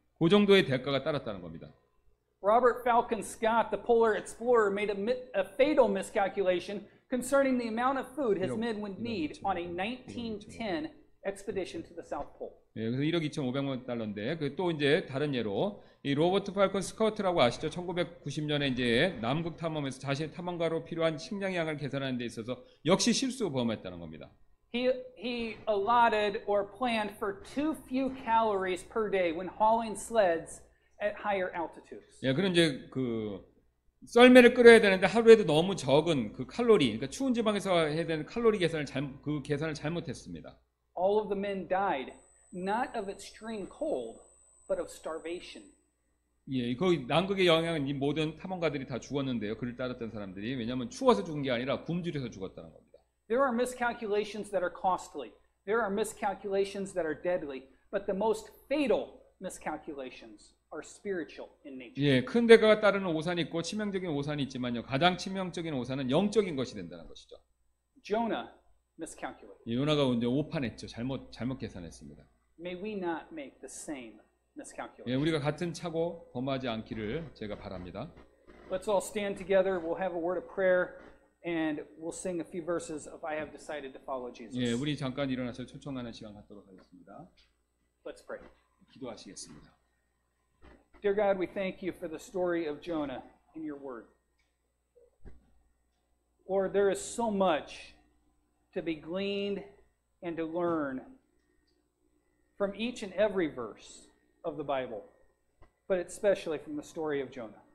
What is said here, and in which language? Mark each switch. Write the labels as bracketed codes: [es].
[ko] 그 정도의 대가가 따랐다는 겁니다. [en] Robert Falcon Scott, the polar explorer, made a fatal miscalculation concerning the amount of food his men would need on a 1910 expedition to the South Pole. [ko] 예, 그래서 1억 2,500만 달러인데 그 또 이제 다른 예로 이 로버트 팔콘 스코트라고 아시죠? 1990년에 이제 남극 탐험에서 자신의 탐험가로 필요한 식량 양을 계산하는 데 있어서 역시 실수 범했다는 겁니다. [en] He allotted or planned for too few calories per day when hauling sleds at higher altitudes. [ko] 예, 그런 이제 그 썰매를 끌어야 되는데 하루에도 너무 적은 그 칼로리, 그러니까 추운 지방에서 해야 되는 칼로리 계산을 계산을 잘못했습니다. [en] All of the men died not of extreme cold, but of starvation. [ko] 예, 그 남극의 영향은 이 모든 탐험가들이 다 죽었는데요. 그를 따랐던 사람들이 왜냐하면 추워서 죽은 게 아니라 굶주려서 죽었다는 겁니다. [en] There are miscalculations that are costly. There are miscalculations that are deadly. But the most fatal miscalculations are spiritual in nature. [ko] 예, 큰 대가가 따르는 오산이 있고 치명적인 오산이 있지만요. 가장 치명적인 오산은 영적인 것이 된다는 것이죠. [en] Jonah miscalculated. [ko] 예, 요나가 이제 오판했죠. 잘못 계산했습니다. [en] May we not make the same miscalculation. [ko] 예, 우리가 같은 착오 범하지 않기를 제가 바랍니다. [en] Let's all stand together. We'll have a word of prayer and we'll sing a few verses of I have decided to follow Jesus. [ko] 예, 우리 잠깐 일어나서 초청하는 시간 갖도록 하겠습니다. [en] Let's pray. [ko] 기도하시겠습니다. [en] Dear God, we thank you for the story of Jonah in your word. Lord, there is so much to be gleaned and to learn from each and every verse of the Bible, but especially from the story of Jonah.